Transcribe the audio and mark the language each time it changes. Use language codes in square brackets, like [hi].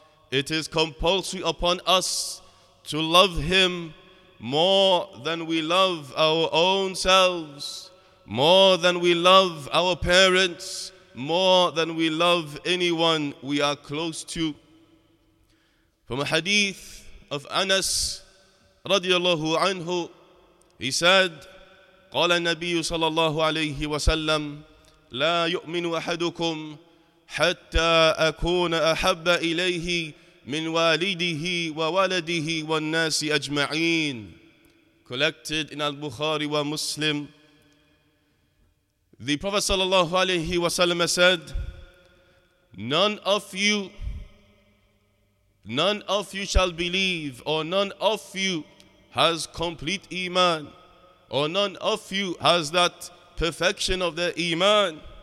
[en] It is compulsory upon us to love him more than we love our own selves, more than we love our parents, more than we love anyone we are close to. From a hadith of Anas radiallahu anhu, he said, [ar] قال النبي صلى الله عليه وسلم لا يؤمن أحدكم حتى أكون أحب إليه من والده وولده والناس أجمعين. [en] Collected in Al-Bukhari wa Muslim. The Prophet sallallahu alayhi wa sallam said, none of you shall believe, or none of you has complete iman, or none of you has that perfection of their iman